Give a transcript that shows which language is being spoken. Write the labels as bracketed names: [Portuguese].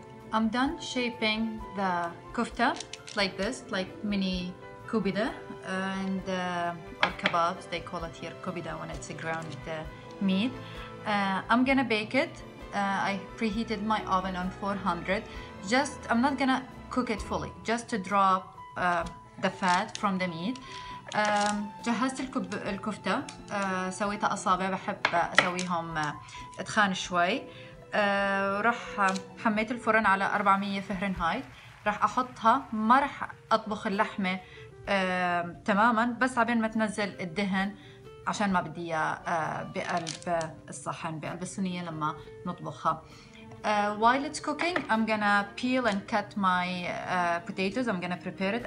[English] I'm done shaping the kofta like this, like mini kubida and or kebabs, they call it here kubida when it's a ground meat. I'm gonna bake it. I preheated my oven on 400. Just, I'm not gonna cook it fully, just to drop the fat from the meat. [Arabic] جهزت الكفتة, سويتها أصابع, بحب أسويهم تخان شوي. راح حميت الفرن على 400 فهرنهايت. راح أحطها, ما راح أطبخ اللحمة تماماً, بس عبين ما تنزل الدهن عشان ما بدي إياه بقلب الصحن, بقلب الصينية لما نطبخها. [English] While it's cooking, I'm gonna peel and cut my potatoes. I'm gonna prepare it.